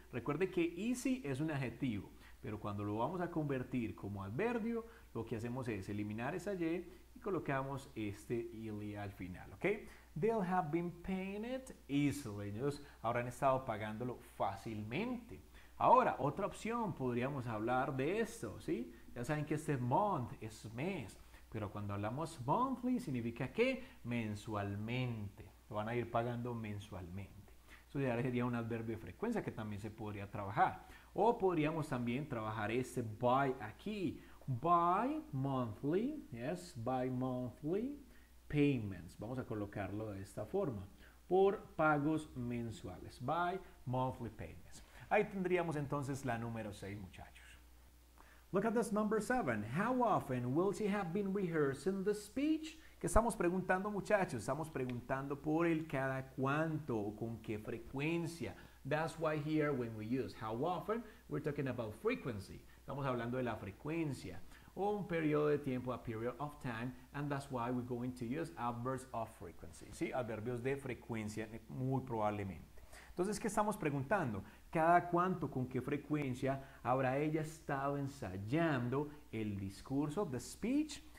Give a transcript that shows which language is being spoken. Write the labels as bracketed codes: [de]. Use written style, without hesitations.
[es] Recuerde que easy es un adjetivo, pero cuando lo vamos a convertir como adverbio, lo que hacemos es eliminar esa y y colocamos este ily al final, ¿ok? [en] They'll have been paying it easily. [es] Ellos habrán estado pagándolo fácilmente. Ahora, otra opción, podríamos hablar de esto, ¿sí? Ya saben que este month es mes. Pero cuando hablamos monthly, ¿significa qué? Mensualmente. Lo van a ir pagando mensualmente. Eso ya sería un adverbio de frecuencia que también se podría trabajar. O podríamos también trabajar este by aquí. [en] By monthly, yes, by monthly payments. [es] Vamos a colocarlo de esta forma. Por pagos mensuales. [en] By monthly payments. [es] Ahí tendríamos entonces la número 6, muchachos. [en] Look at this number 7. How often will she have been rehearsing the speech? [es] ¿Qué estamos preguntando, muchachos? Estamos preguntando por el cada cuánto o con qué frecuencia. [en] That's why here when we use how often, we're talking about frequency. [es] Estamos hablando de la frecuencia. O un periodo de tiempo, [en] a period of time. And that's why we're going to use adverbs of frequency. [es] Sí, adverbios de frecuencia, muy probablemente. Entonces, ¿qué estamos preguntando? ¿Cada cuánto, con qué frecuencia habrá ella estado ensayando el discurso, the speech?